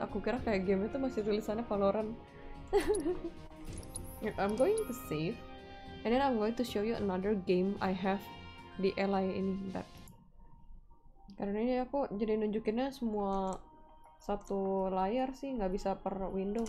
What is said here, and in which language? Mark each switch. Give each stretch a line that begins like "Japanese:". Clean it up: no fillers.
Indonesian: Aku kira kayak game itu masih tulisannya Valorant.
English: I'm going to save. And then I'm going to show you another game I have
Indonesian: di ally ini. Bentar. Karena ini aku jadi nunjukinnya semua satu layar sih, enggak bisa per window.